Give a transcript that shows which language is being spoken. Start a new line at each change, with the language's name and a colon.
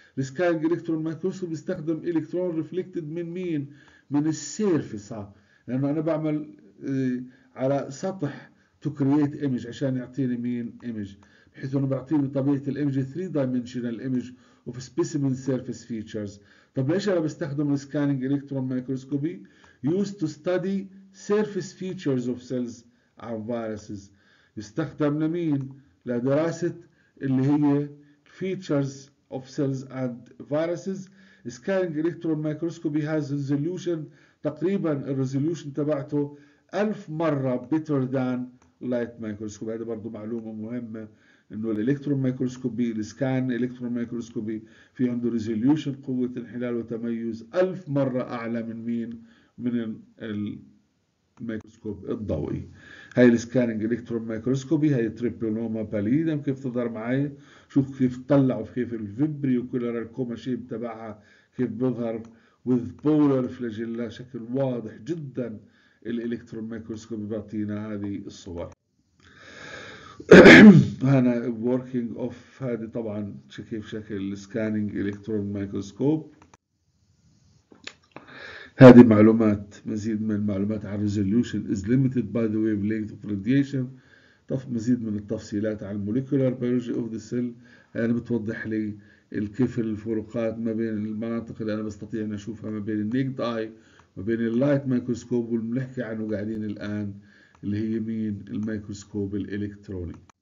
Arabic: السكانج الكترون مايكروسكوب بيستخدم الكترون ريفليكتد من مين؟ من السيرفيس، لانه انا بعمل على سطح تو كرييت ايمج عشان يعطيني مين ايمج، بحيث انه بيعطيني طبيعة الايمج 3 دايمنشنال ايمج وفي سبيسيمن سيرفيس فيتشرز. طب ليش انا بستخدم السكانج الكترون مايكروسكوبي؟
English: Use to study surface features of cells or viruses.
Arabic: يستخدم لمين؟ لدراسة اللي هي
English: features of cells and viruses. scanning electron microscopy has resolution،
Arabic: تقريبا الريزوليوشن تبعته 1000 مرة
English: better than light microscope.
Arabic: هذا برضو معلومة مهمة، انه الالكترون مايكروسكوبي السكان الكترون مايكروسكوبي في عنده ريزوليوشن قوة انحلال وتميز 1000 مرة اعلى من مين؟ من الميكروسكوب الضوئي. هاي السكانينج الكترون مايكروسكوبي، هاي تريبلوما باليدم، كيف تظهر معي؟ شوف كيف تطلع، وكيف الفيبريو كولر الكوما شيب تبعها كيف بظهر
English: with polar flagella
Arabic: شكل واضح جدا. الالكترون مايكروسكوبي بيعطينا هذه الصور. هنا working of هذه طبعا كيف شكل السكانينج الكترون مايكروسكوب. هذه معلومات، مزيد من المعلومات عن
English: resolution is limited by the wavelength of radiation.
Arabic: مزيد من التفصيلات عن
English: molecular biology of the cell،
Arabic: يعني بتوضح لي كيف الفروقات ما بين المناطق اللي أنا بستطيع أن أشوفها ما بين النيكد آي ما بين اللايت مايكروسكوب والملحكي عنه قاعدين الآن اللي هي مين؟ الميكروسكوب الإلكتروني.